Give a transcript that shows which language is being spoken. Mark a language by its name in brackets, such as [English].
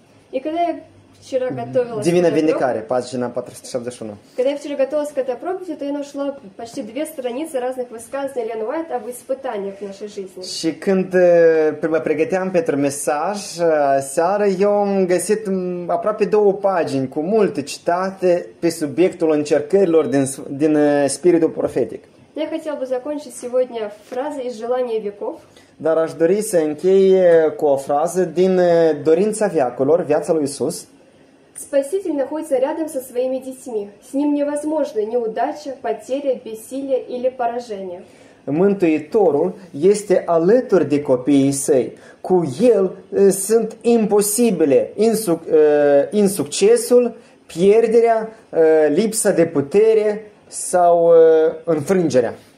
[Russian] И когда я вчера готовила... [Romanian] Divină Vindecare, pagina 471. [Russian] Когда я вчера готовилась к этой проповеди, то я нашла почти две страницы разных высказаний Елен Уайт об испытаниях в нашей жизни. [Romanian] Și când mă pregăteam pentru mesaj, seară, eu am găsit aproape două pagini cu multe citate pe subiectul încercărilor din spiritul profetic. [Russian] Я хотела бы закончить сегодня фразой из желания веков. [Romanian] Dar aș dori să închei cu o frază din dorința veacurilor, viața lui Iisus. [Russian] Спаситель находится рядом со своими детьми. С ним невозможна неудача, потеря, бессилие или поражение. [Romanian] Mântuitorul este alături de copiii săi. Cu el sunt imposibile insuccesul, pierderea, lipsa de putere sau înfrângerea.